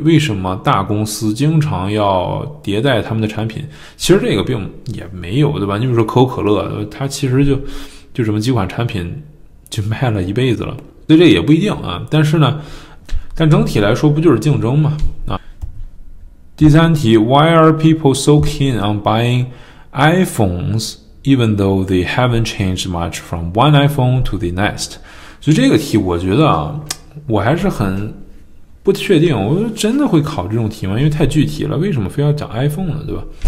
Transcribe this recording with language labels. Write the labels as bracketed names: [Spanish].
[Chinese] 为什么大公司经常要迭代他们的产品？其实这个并也没有，对吧？你比如说可口可乐，它其实就这么几款产品就卖了一辈子了。所以这也不一定啊。但是呢，但整体来说不就是竞争嘛啊。第三题 [English] ,Why are people so keen on buying iPhones even though they haven't changed much from one iPhone to the next? [Chinese] 所以这个题我觉得啊，我还是很不确定，我真的会考这种题吗？因为太具体了，为什么非要讲 iPhone 呢，对吧？